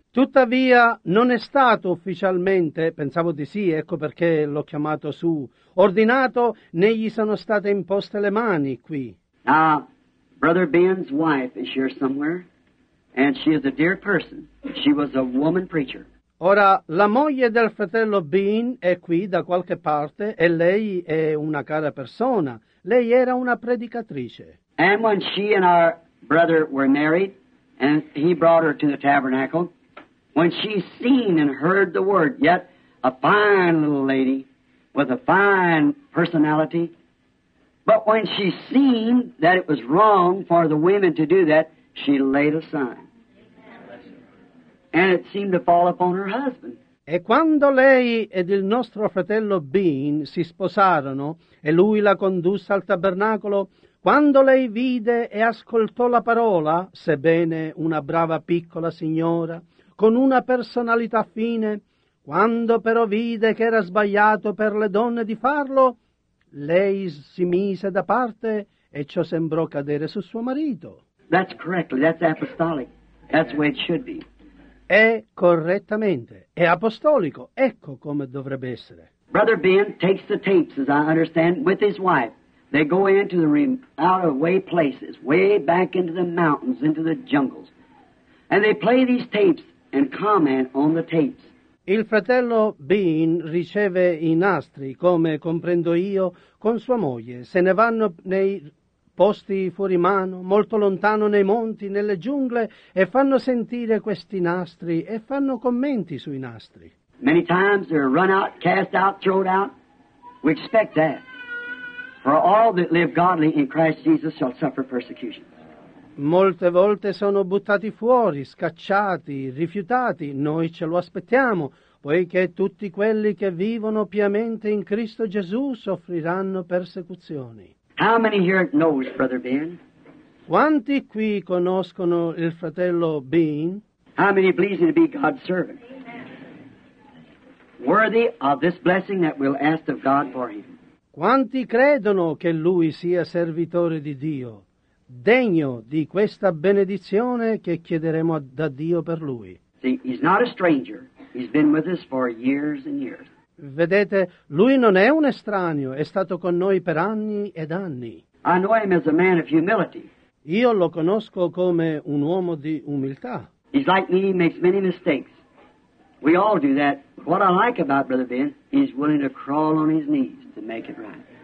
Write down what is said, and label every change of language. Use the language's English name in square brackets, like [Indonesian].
[Italian] Tuttavia, non è stato ufficialmente, pensavo di sì, ecco perché l'ho chiamato su, ordinato, né gli sono state imposte le mani qui. [English] Now, Brother Ben's wife is here somewhere, and she is a dear person. She was a woman preacher. [Italian] Ora, la moglie del fratello Ben è qui da qualche parte, e lei è una cara persona. Lei era una predicatrice. [English] And when she and our brother were married, and he brought her to the tabernacle, when she seen and heard the word, yet a fine little lady with a fine personality, but when she seen that it was wrong for the women to do that, she laid aside. And it seemed to fall upon her husband. [Italian] E quando lei ed il nostro fratello Bean si sposarono e lui la condusse al tabernacolo, quando lei vide e ascoltò la parola, sebbene una brava piccola signora, con una personalità fine, quando però vide che era sbagliato per le donne di farlo, lei si mise da parte e ciò sembrò cadere su suo marito. [English] That's correct. That's apostolic. That's the way it should be. [Italian] È correttamente. È apostolico. Ecco come dovrebbe essere. [English] Brother Ben takes the tapes, as I understand, with his wife, They go into the out-of-way places, way back into the mountains, into the jungles. And they play these tapes and comment on the tapes. [Italian] Il fratello Bean riceve i nastri, come comprendo io, con sua moglie. Se ne vanno nei posti fuori mano, molto lontano nei monti, nelle giungle, e fanno sentire questi nastri e fanno commenti sui nastri. [English] Many times they're run out, cast out, thrown out. We expect that. For all that live godly in Christ Jesus shall suffer persecution. [Italian] Molte volte sono buttati fuori, scacciati, rifiutati. Noi ce lo aspettiamo, poiché tutti quelli che vivono piamente in Cristo Gesù soffriranno persecuzioni. [English] How many here knows Brother Bean? [Italian] Quanti qui conoscono il fratello Bean? [English] How many believe to be God's servant? Worthy of this blessing that we'll ask of God for him. [Italian] Quanti credono che lui sia servitore di Dio, degno di questa benedizione che chiederemo da Dio per lui? [English] See, he's not a stranger. He's been with us for years and years. [Italian] Vedete, lui non è un estraneo, è stato con noi per anni ed anni. [English] I know him as a man of humility. [Italian] Io lo conosco come un uomo di umiltà. [English] He's like me, he makes many mistakes. We all do that. What I like about Brother Ben, he's willing to crawl on his knees to make it right.